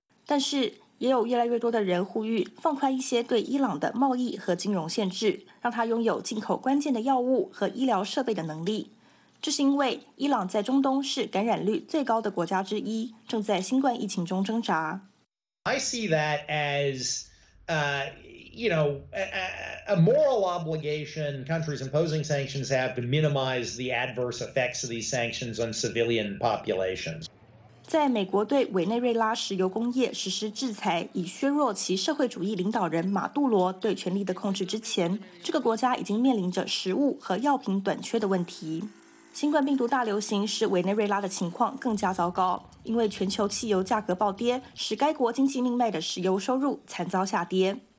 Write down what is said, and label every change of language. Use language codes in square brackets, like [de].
[zh] 但是也有越来越多的人呼吁放宽一些对伊朗的贸易和金融限制，让它拥有进口关键的药物和医疗设备的能力。这是因为伊朗在中东是感染率最高的国家之一，正在新冠疫情中挣扎。 [en] I see that as, you know, a moral obligation countries imposing sanctions have to minimize the adverse effects of these sanctions on civilian populations. [zh] 在美国对委内瑞拉石油工业实施制裁，以削弱其社会主义领导人马杜罗对权力的控制之前，这个国家已经面临着食物和药品短缺的问题。新冠病毒大流行使委内瑞拉的情况更加糟糕，因为全球汽油价格暴跌，使该国经济命脉的石油收入惨遭下跌。